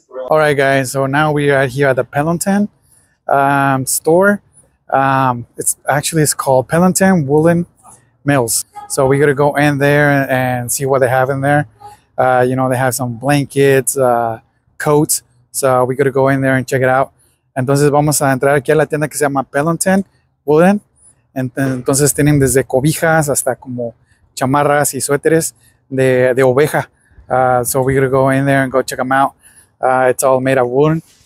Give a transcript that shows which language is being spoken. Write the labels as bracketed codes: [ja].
[en] All right, guys. So now we are here at the Pendleton store. It's called Pendleton Woolen Mills. So we're going to go in there and see what they have in there. You know, they have some blankets, coats. So we're going to go in there and check it out. [es] Entonces vamos a entrar aquí a la tienda que se llama Pendleton Woolen. Entonces tienen desde cobijas hasta como chamarras y suéteres de oveja. [en] So we're going to go in there and go check them out. It's all made of wool.